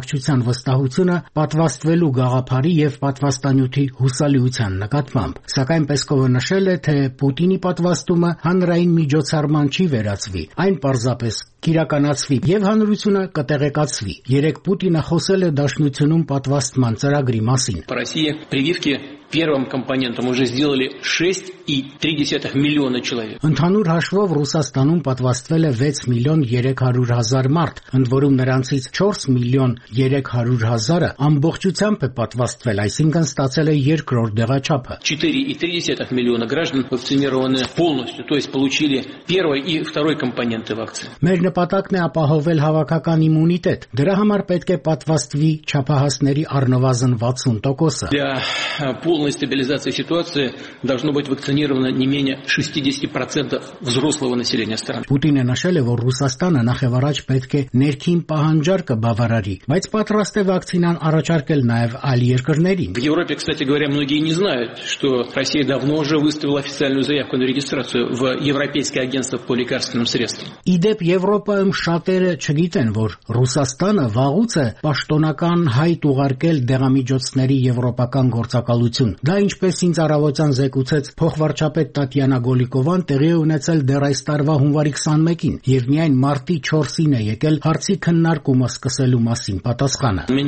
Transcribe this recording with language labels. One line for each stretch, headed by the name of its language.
Armenian: բնակչության վստահությունը պատվաստվելու գաղափարի եւ պատվաստանյութի հուսալիության նկատմամբ։ Սակայն Պեսկովը նշել է, թե Պուտինի պատվաստումը հանրային միջոցառման չի վերածվի, այն պարզապես կիրականացվի եւ հանրությունը կտեղեկացվի։ Երեկ Պուտինը խոսել է Դաշնությունում պատվաստման ծրագրի մասին։
Russian: Первым компонентом уже сделали 6,3 миллиона человек.
Armenian: Ընդհանուր հաշվով Ռուսաստանում պատվաստվել է 6 միլիոն 300 հազար մարդ, ընդ որում նրանցից 4 միլիոն 300 հազարը ամբողջությամբ է պատվաստվել, այսինքն ստացել է երկրորդ դեղաչափը.
Russian: 4,3 миллиона граждан вакцинированы полностью, то есть получили первый и второй компоненты вакцины.
Armenian: Մեր նպատակն է ապահովել հավաքական իմունիտետ, դրա համար պետք է պատվաստվի չափահասների առնվազն 60%-ը.
Russian: Полной стабилизации ситуации должно быть вакцинировано не менее 60% взрослого населения страны.
Armenian: Путине нашеле, որ Ռուսաստանը նախևառաջ պետք է ներքին պահանջարկը բավարարի, բայց պատրաստ է վակցինան առաջարկել նաև այլ երկրներին.
Russian: В Европе, кстати говоря, многие не знают, что Россия давно уже выставила официальную заявку на регистрацию в Европейское агентство по лекарственным средствам.
Armenian: Իդեպ Եվրոպայում շատերը չգիտեն, որ Ռուսաստանը վաղուց է պաշտոնական հայտ ուղարկել դեղամիջոցների եվրոպական գործակալ Դա ինչպես ինձ առավոտյան զեկուցեց փոխվարչապետ Տատյանա Գոլիկովան տեղի ունեցել դեռ այս տարվա հունվարի 21-ին եւ միայն մարտի 4-ին է եկել հարցի քննարկումը սկսելու մասին պատասխանը։